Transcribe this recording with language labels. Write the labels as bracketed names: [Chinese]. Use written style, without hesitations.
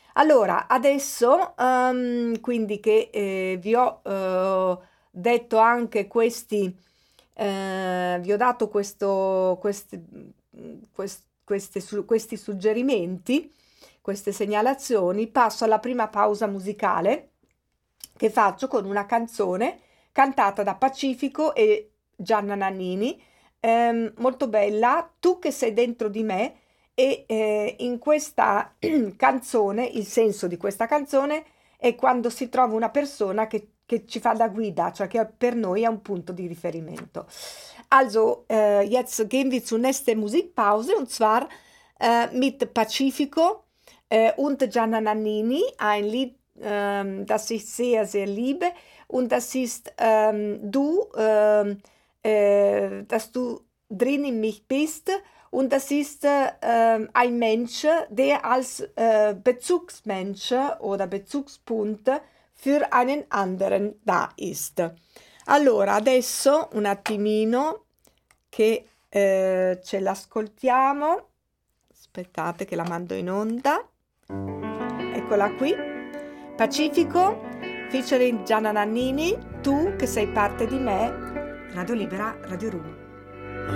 [Italian] Allora, adesso, quindi che vi ho detto anche questi, vi ho dato questi suggerimenti, queste segnalazioni, passo alla prima pausa musicale che faccio con una canzone cantata da Pacifico e Gianna Nannini, molto bella, Tu che sei dentro di me, e in questa canzone, il senso di questa canzone è quando si trova una persona che ci fa da guida, cioè che per noi è un punto di riferimento. [German] Also, jetzt gehen wir zur nächsten Musikpause, und zwar mit Pacifico und Gianna Nannini, ein Lied, das ich sehr, sehr liebe. Und das ist dass du drin in mich bist. Und das ist ein Mensch, der als Bezugsmensch oder Bezugspunkt für einen anderen da ist. [Italian] Allora, adesso un attimino che ce l'ascoltiamo. Aspettate che la mando in onda. Eccola qui, Pacifico, featuring Gianna Nannini, Tu che sei parte di me, Radio Libera, Radio Rum.